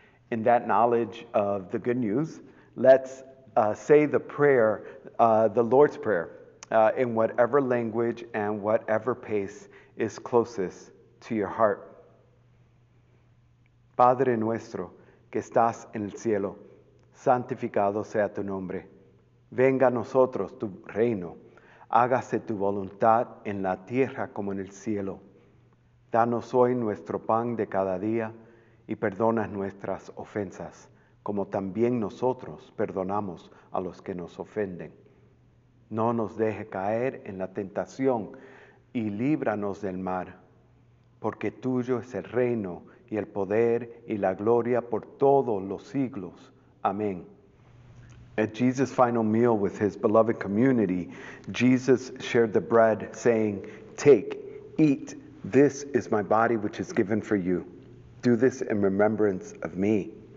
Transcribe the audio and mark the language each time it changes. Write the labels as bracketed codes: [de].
[en] In that knowledge of the good news, let's say the prayer, the Lord's Prayer, in whatever language and whatever pace is closest to your heart. [es] Padre nuestro, que estás en el cielo, santificado sea tu nombre. Venga a nosotros tu reino. Hágase tu voluntad en la tierra como en el cielo. Danos hoy nuestro pan de cada día. Y perdona nuestras ofensas, como también nosotros perdonamos a los que nos ofenden. No nos deje caer en la tentación y líbranos del mal, porque tuyo es el reino y el poder y la gloria por todos los siglos. Amén. [en] At Jesus' final meal with his beloved community, Jesus shared the bread, saying, "Take, eat, this is my body which is given for you. Do this in remembrance of me."